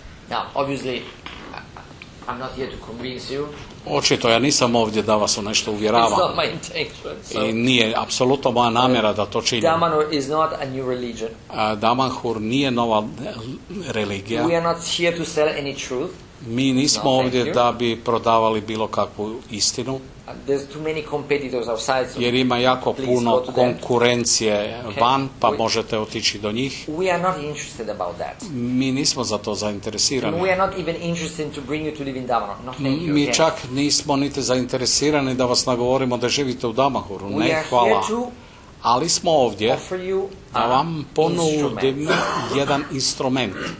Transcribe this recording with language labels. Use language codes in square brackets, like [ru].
[en] Now, obviously, I'm not here to convince you. [hr] Očito, ja nisam ovdje da vas u nešto uvjeravam. [en] It's not my intention, so. [hr] I nije apsolutno moja namjera da to činim. [en] Damanhur is not a new religion. [hr] Damanhur nije nova religija. [en] We are not here to sell any truth. [hr] Mi nismo ovdje da bi prodavali bilo kakvu istinu. [en] There's too many competitors outside, so [hr] jer ima jako puno konkurencije van, pa možete otići do njih. [en] We are not interested about that. [hr] Mi nismo za to zainteresirani. [en] We are not even interested to bring you to live in Damanhur. No, [hr] mi čak nismo niti zainteresirani da vas nagovorimo da živite u Damanhuru. [en] We [hr] ne, [en] are [hr] hvala. [en] Here to [hr] ali smo ovdje [en] offer you [hr] da vam ponudim jedan instrument.